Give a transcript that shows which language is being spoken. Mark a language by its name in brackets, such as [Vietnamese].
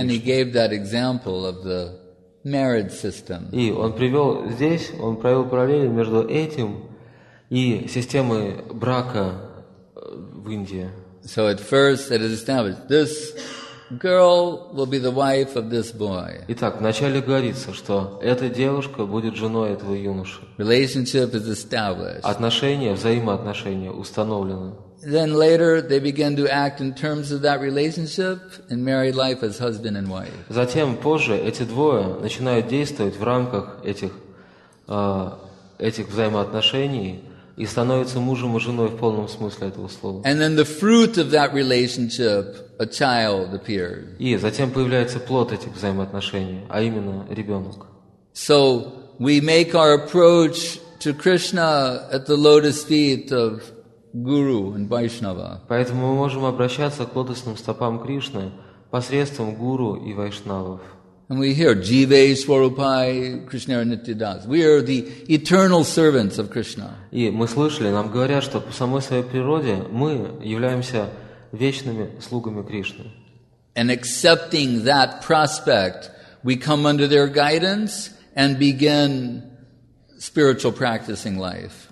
[English] And he gave that example of the marriage system. [Russian] И он привел здесь, он провел параллели между этим и системы брака в Индии. [English] So at first it is established, this girl will be the wife of this boy. [Russian] Итак, вначале говорится, что эта девушка будет женой этого юноши. [English] Relationship is established. [Russian] Отношения, взаимоотношения установлены. [English] Then later they begin to act in terms of that relationship and married life as husband and wife. [Russian] Затем позже эти двое начинают действовать в рамках этих взаимоотношений и становятся мужем и женой в полном смысле этого слова. [English] And then the fruit of that relationship, a child appears. [Russian] И затем появляется плод этих взаимоотношений, а именно ребенок. [English] So we make our approach to Krishna at the lotus feet of Guru and Vaishnava. [Russian] Поэтому мы можем обращаться к лотосным стопам Кришны посредством Гуру и Вайшнавов. [English] And we hear [Sanskrit] Jive Swarupai Krishna Nityadas. [English] We are the eternal servants of Krishna. [Russian] И мы слышали, нам говорят, что по самой своей природе мы являемся вечными слугами Кришны. [English] And accepting that prospect, we come under their guidance and begin spiritual practicing life.